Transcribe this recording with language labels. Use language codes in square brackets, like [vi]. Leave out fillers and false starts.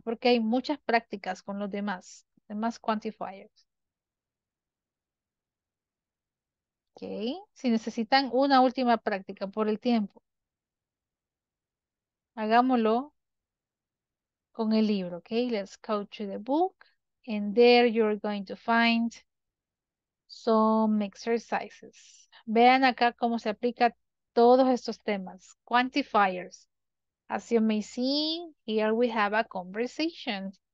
[es] Porque hay muchas prácticas con los demás quantifiers. Ok. Si necesitan una última práctica por el tiempo, hagámoslo con el libro, ¿ok? [en] Let's go to the book. And there you're going to find some exercises. [es] Vean acá cómo se aplica todos estos temas. [en] Quantifiers. As you may see, here we have a conversation.